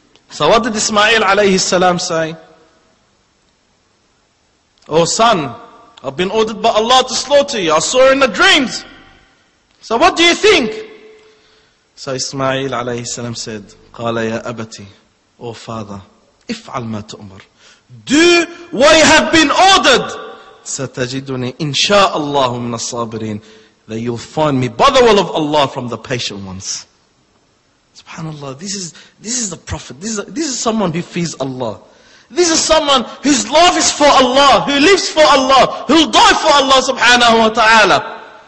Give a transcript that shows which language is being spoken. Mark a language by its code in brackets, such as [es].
[en] So what did Ismail alayhi salam say? Oh son, I've been ordered by Allah to slaughter you. I saw in the dreams. So what do you think? So Ismail alayhi salam said, [ar] قَالَ يَا أَبَتِي. [en] O father, [ar] اِفْعَلْ مَا تُؤْمَرْ. [en] Do what you have been ordered. [ar] سَتَجِدُنِي إِنْشَاءَ اللَّهُ مِنَ الصَّابِرِينَ. [en] That you'll find me by the will of Allah from the patient ones. Subhanallah, this is the prophet. This is someone who fears Allah. This is someone whose love is for Allah, who lives for Allah, who'll die for Allah subhanahu wa ta'ala.